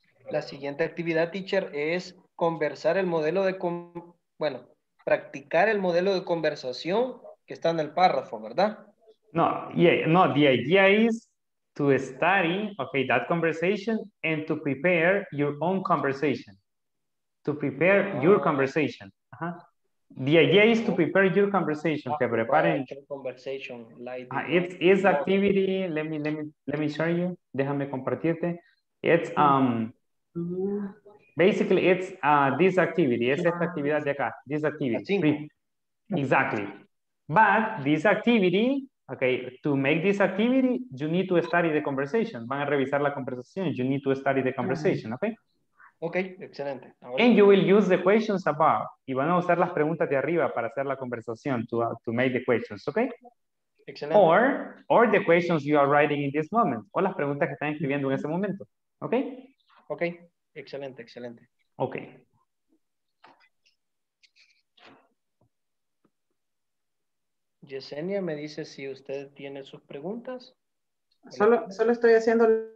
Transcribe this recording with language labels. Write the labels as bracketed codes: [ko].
[es] La siguiente actividad, teacher, es conversar el modelo de, bueno, practicar el modelo de conversación que está en el párrafo, ¿verdad? [en] No, yeah, no, the idea is to study, okay, that conversation and to prepare your own conversation. To prepare your conversation. Uh-huh. The idea is to prepare your conversation. [es] Que preparen. [en] Conversation like it's activity, let me show you, [es] déjame compartirte. [en] It's, basically, it's this activity. [es] Es esta actividad de acá. [en] This activity. Exactly. But this activity, okay, to make this activity, you need to study the conversation. [es] Van a revisar la conversación. [en] You need to study the conversation, okay? [es] Okay, excelente. [en] And you will use the questions above. [es] Y van a usar las preguntas de arriba para hacer la conversación, [en] to make the questions, okay? [es] Excelente. [en] Or the questions you are writing in this moment. [es] O las preguntas que están escribiendo en ese momento, okay? Okay. Excelente, excelente. Okay. Yesenia me dice si usted tiene sus preguntas. Solo estoy haciendo